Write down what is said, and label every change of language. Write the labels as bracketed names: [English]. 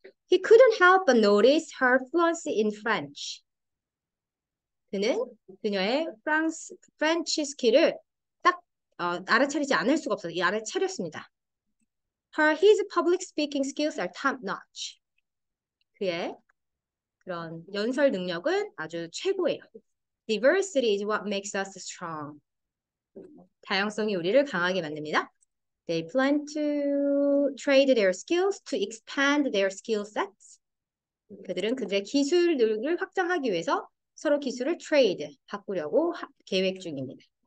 [English] He couldn't help but notice her fluency in French. [Korean] 그는 그녀의 프렌치 스킬을 알아차리지 않을 수가 없어서 알아차렸습니다. [English] His public speaking skills are top notch. [Korean] 그의 그런 연설 능력은 아주 최고예요. [English] Diversity is what makes us strong. [Korean] 다양성이 우리를 강하게 만듭니다. [English] They plan to trade their skills to expand their skill sets. [Korean] 그들은 그들의 기술 능력을 확장하기 위해서 서로 기술을 trade, 바꾸려고 계획 중입니다.